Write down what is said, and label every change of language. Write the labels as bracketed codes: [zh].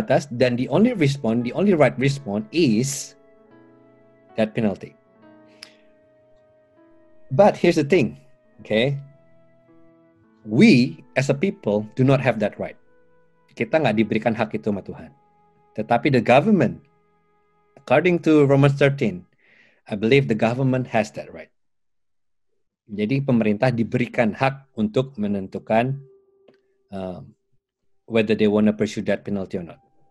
[en] dan the only right response is death penalty. But here's the thing, okay? We as a people do not have that right. [id] Kita nggak diberikan hak itu sama Tuhan. [en] Tetapi the government, according to Romans 13, I believe the government has that right. [id] Jadi pemerintah diberikan hak untuk menentukan [en] whether they want to pursue that penalty or not.